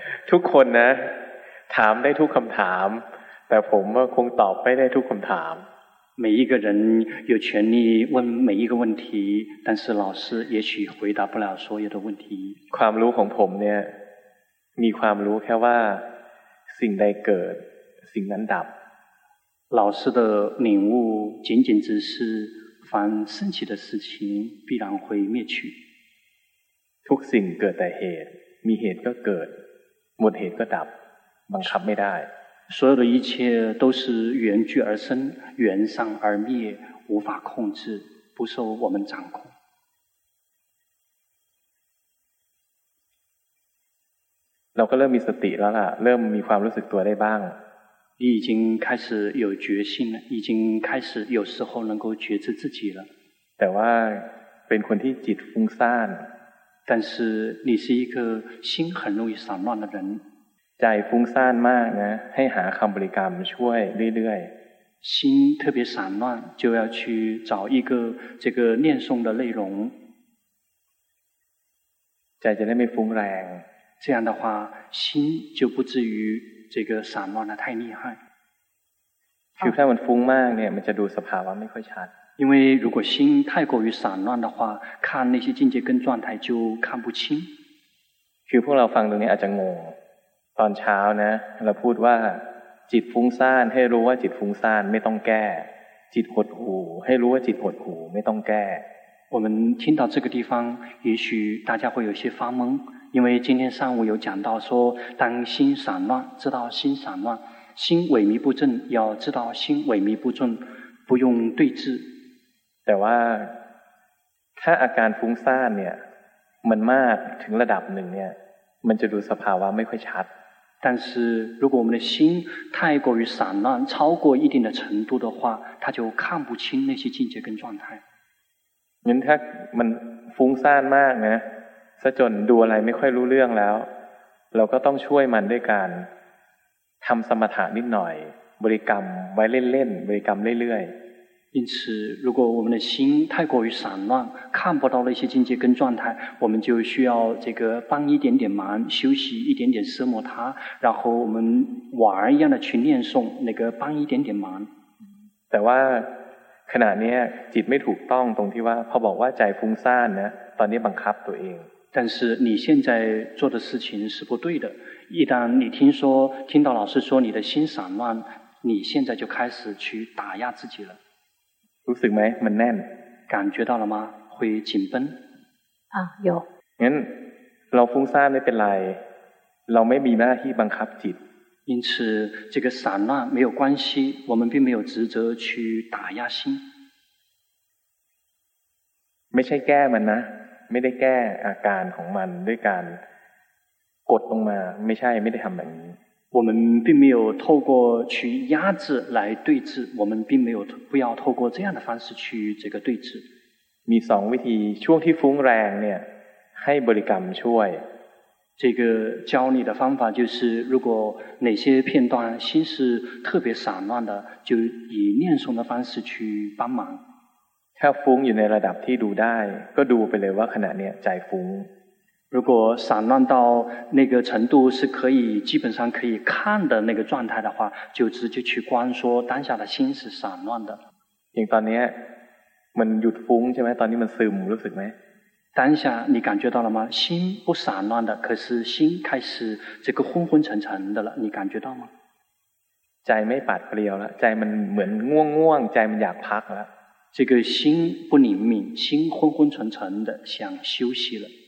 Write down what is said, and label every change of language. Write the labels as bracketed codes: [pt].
[th] ทุกคนนะถามได้ทุกคำถามแต่ผมคงตอบไม่ได้ทุกคำถาม [zh] 每一个人有权利问每一个问题但是老师也许回答不了所有的问题 [th] ความรู้ของผมเนี่ยมีความรู้แค่ว่าสิ่งใดเกิดสิ่งนั้นดับ [zh] 老师的领悟仅仅只是凡升起的事情必然会灭去 [th] ทุกสิ่งเกิดแต่เหตุมีเหตุก็เกิดหมดเหตุก็ดับบังคับไม่ได้ [zh] 所有的一切都是缘聚而生缘散而灭无法控制不受我们掌控 [th] เราก็เริ่มมีสติแล้วล่ะเริ่มมีความรู้สึกตัวได้บ้าง [zh] 已经开始有觉性了已经开始有时候能够觉知自己了 [th] แต่ว่าเป็นคนที่จิตฟุ้งซ่าน [zh] 但是你是一个心很容易散乱的人 [th] ใจฟุ้งซ่านมากนะให้หาคำบริกรรมช่วยเรื่อย [zh] 心特别散乱，就要去找一个这个念诵的内容。在这里没风来，这样的话心就不至于这个散乱的太厉害。 [th] คือถ้ามันฟุ้งมากเนี่ยมันจะดูสภาวะไม่ค่อยชัด [zh] 因为如果心太过于散乱的话看那些境界跟状态就看不清 [th] คือพวกเราฟังตรงนี้อาจจะงงตอนเช้านะเราพูดว่าจิตฟุ้งซ่านให้รู้ว่าจิตฟุ้งซ่านไม่ต้องแก้จิตหดหูให้รู้ว่าจิตหดหูไม่ต้องแก้ [zh] 我们听到这个地方也许大家会有些发懵因为今天上午有讲到说当心散乱知道心散乱心萎靡不振要知道心萎靡不振不用对治 [th] แต่ว่าถ้าอาการฟุ้งซ่านเนี่ยมันมากถึงระดับหนึ่งเนี่ยมันจะดูสภาวะไม่ค่อยชัด [zh] 但是如果我们的心太过于散乱超过一定的程度的话它就看不清那些境界跟状态 [th] งั้นถ้ามันฟุ้งซ่านมากนะซะจนดูอะไรไม่ค่อยรู้เรื่องแล้วเราก็ต้องช่วยมันด้วยการทำสมถะนิดหน่อยบริกรรมไว้เล่นๆบริกรรมเรื่อย [zh] ๆ因此如果我们的心太过于散乱看不到那些境界跟状态我们就需要这个帮一点点忙休息一点点奢摩他然后我们玩一样的去念诵那个帮一点点忙 [th] แต่ว่าขณะนี้จิตไม่ถูกต้องตรงที่ว่าพอบอกว่าใจฟุ้งซ่านนะตอนนี้บังคับตัวเอง [zh] 但是你现在做的事情是不对的一旦你听到老师说你的心散乱你现在就开始去打压自己了 [th] รู้สึกไหมมันแน่น [zh] 感觉到了吗会紧绷啊有 [th] งั้นเราฟุ้งซ่านไม่เป็นไรเราไม่มีหน้าที่บังคับจิต [zh] 因此这个散乱没有关系我们并没有职责去打压心 [th] ไม่ใช่แก้มันนะไม่ได้แก้อาการของมันด้วยการกดลงมาไม่ใช่ไม่ได้ทำแบบนี้ [zh] 我们并没有透过去压制来对治我们并没有不要透过这样的方式去这个对治 [th] มีสองวิธีช่วงที่ฟุ้งแรงเนี่ยให้บริกรรมช่วย [zh] 这个教你的方法就是如果哪些片段心是特别散乱的就以念诵的方式去帮忙 [th] ถ้าฟุ้งอยู่ในระดับที่ดูได้ก็ดูไปเลยว่าขณะเนี้ยใจฟุ้ง [zh] 如果散乱到那个程度是可以基本上可以看的那个状态的话就直接去观说当下的心是散乱的 [th] อย่างตอนนี้มันหยุดฟุ้งใช่ไหมตอนนี้มันซึมรู้สึกไหม [zh] 当下你感觉到了吗心不散乱的可是心开始这个昏昏沉沉的了你感觉到吗 [th] ใจไม่ปัดเปลี่ยวแล้วใจมันเหมือนง่วงๆใจมันอยากพักแล้ว [zh] 这个心不灵敏心昏昏沉沉的想休息了